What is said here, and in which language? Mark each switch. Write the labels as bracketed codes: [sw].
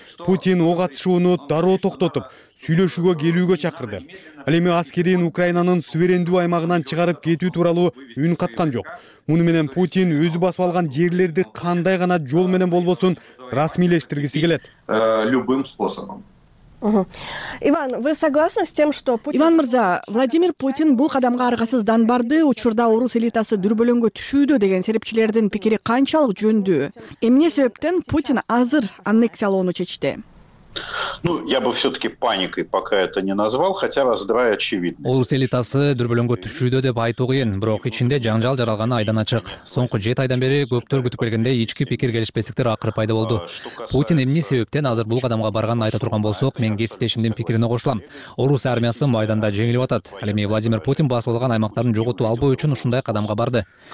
[ky] Путин ок атышууну дароо токтотуп, сүйлөшүүгө келүүгө чакырды. Ал эми аскерин Украинанын суверендүү аймагынан чыгарып кетүү тууралуу үн каткан жок. Муну менен Путин өзү басып алган жерлерди кандай гана жол менен болбосун расмийлештиргиси келет. [ru] Любым способом. Иван, вы согласны с тем, что Путин... [ky] Иван мырза, Владимир Путин бул кадамга аргасыздан барды, учурда орус элитасы дүрбөлөңгө түшүүдө деген серепчилердин пикири канчалык жөндүү? Эмне себептен Путин азыр аннексиялоону чечти? [ru] Ну, я бы все-таки паникой пока это не назвал, хотя раздрай очевидность. [ky] Орус элитасы дүрбөлөңгө түшүүдө деп айтуу кыйын, бирок ичинде жаңжал жаралганы айдан ачык. Соңку 7 айдан бери көптөр күтүп келгендей ички пикир келишпестиктер акыр пайда болду. Путин эмне себептен азыр бул кадамга барганын айта турган болсок, мен кесиптешимдин пикирине кошулам. Орус армиясы майданда жеңилип атат. Ал эми Владимир Путин басып алган аймактарын жоготуп албоо үчүн ушундай кадамга барды.